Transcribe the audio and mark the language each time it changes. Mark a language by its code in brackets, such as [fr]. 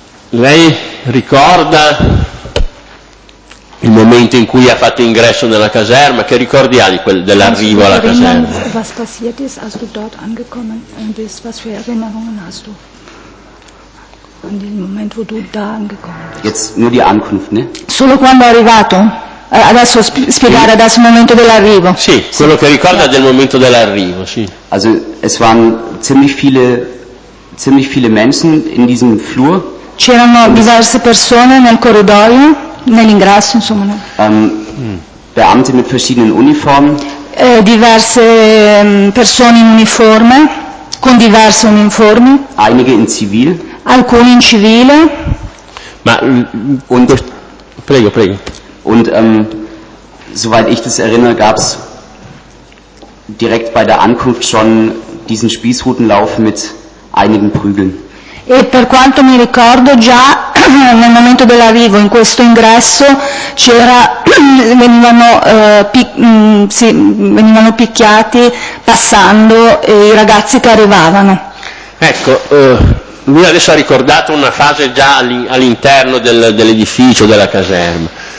[it] Lei ricorda il momento in cui ha fatto ingresso nella caserma? Che ricordi ha di dell'arrivo alla caserma? [de] Was passiert ist, als du dort angekommen bist? Was für Erinnerungen hast du an den Moment, wo du da angekommen bist? Jetzt nur die Ankunft, ne? [it] Solo quando è arrivato. Adesso spiegare adesso il momento dell'arrivo. Sì, quello che ricorda del momento dell'arrivo, sì. [de] Also, es waren ziemlich viele Menschen in diesem Flur. [it] C'erano diverse persone nel corridoio, nell'ingresso, insomma. [de] Beamte mit verschiedenen Uniformen. [it] Diverse persone in uniforme, con diverse uniformi. [de] Einige in Zivil. [it] Alcuni in civile. Ma, und, prego, prego. [de] Und soweit ich das erinnere, gab es direkt bei der Ankunft schon diesen Spießrutenlauf mit einigen Prügeln. [it] E per quanto mi ricordo, già nel momento dell'arrivo, in questo ingresso, venivano picchiati passando i ragazzi che arrivavano. Ecco. Lui adesso ha ricordato una fase già all'interno dell'edificio, della caserma.